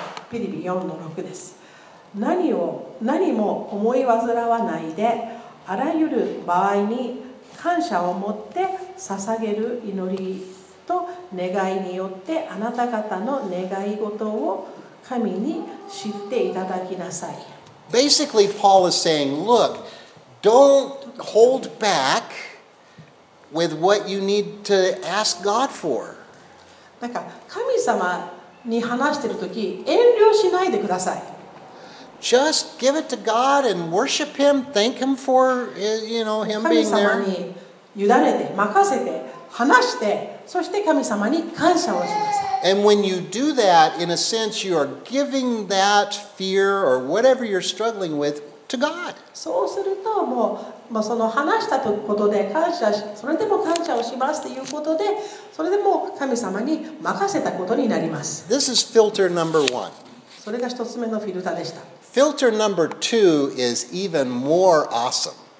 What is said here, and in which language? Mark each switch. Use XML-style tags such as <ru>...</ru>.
<ja>ピリピ4:6です。何も思い煩わないで、あらゆる場合に感謝を持って捧げる祈りと願いによって、あなた方の願い事を神に知っていただきなさい。</ja> <en>Basically, Paul is saying, look, don't hold back with what you need to ask God for.</en> <ja>なんか神様に話してるとき、遠慮しないでください。</ja> <en>Just give it to God and worship Him, thank Him for, you know, Him being there.</en> <ja>神様に委ねて、任せて、話して、そして神様に感謝をします。</ja> <en>And when you do that, in a sense, you are giving that fear or whatever you're struggling with to God.</en> <ja>そうすると、もうその話したことで感謝し、それでも感謝をしますということで、それでも神様に任せたことになります。</ja> <en>This is filter number one.</en> <ja>それが一つ目のフィルターでした。</ja> <en>Filter number two is even more awesome.</en>